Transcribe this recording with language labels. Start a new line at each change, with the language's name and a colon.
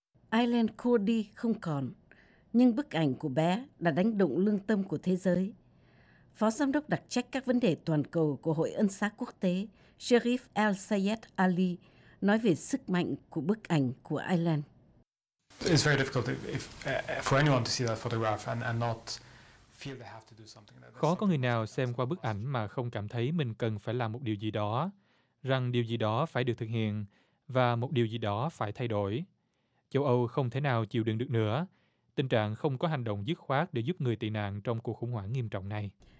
Vietnamese: Aylen Kurdi không còn, nhưng bức ảnh của bé đã đánh động lương tâm của thế giới. Phó giám đốc đặc trách các vấn đề toàn cầu của Hội Ân xá Quốc tế, Sherif El-Sayed Ali, nói về sức mạnh của bức ảnh của Aylen.
English: It's very difficult for anyone to see that photograph and not feel they have to do something.
Vietnamese: Khó có người nào xem qua bức ảnh mà không cảm thấy mình cần phải làm một điều gì đó, rằng điều gì đó phải được thực hiện và một điều gì đó phải thay đổi. Châu Âu không thể nào chịu đựng được nữa. Tình trạng không có hành động dứt khoát để giúp người tị nạn trong cuộc khủng hoảng nghiêm trọng này.